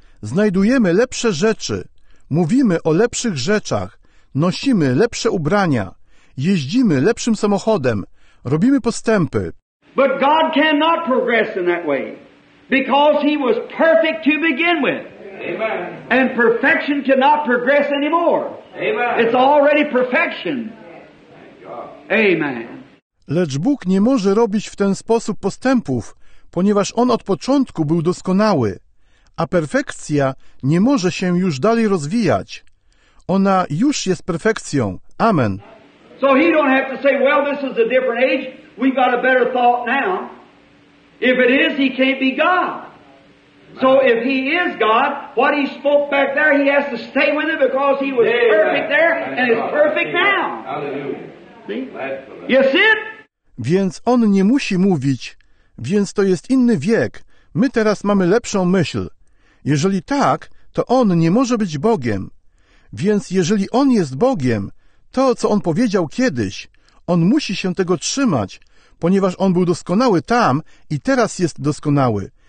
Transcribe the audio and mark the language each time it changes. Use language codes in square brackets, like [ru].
[pl] Znajdujemy lepsze rzeczy. Mówimy o lepszych rzeczach. Nosimy lepsze ubrania. Jeździmy lepszym samochodem. Robimy postępy. [en] But God cannot progress in that way, because he was perfect to begin with. Amen. And perfection cannot progress anymore. Amen. It's already perfection. Thank God. Amen. [pl] Lecz Bóg nie może robić w ten sposób postępów, ponieważ on od początku był doskonały, a perfekcja nie może się już dalej rozwijać. Ona już jest perfekcją. Amen. [en] So he don't have to say, well, this is a different age. We got a better thought now. If it is, he can't be God. So if he is God, what he spoke back there, he has to stay with it, because he was perfect there and is perfect now. Hallelujah. See? Yes, it? [pl] Więc on nie musi mówić, więc to jest inny wiek. My teraz mamy lepszą myśl. Jeżeli tak, to on nie może być Bogiem. Więc jeżeli on jest Bogiem, to co on powiedział kiedyś, on musi się tego trzymać, ponieważ on był doskonały tam i teraz jest doskonały.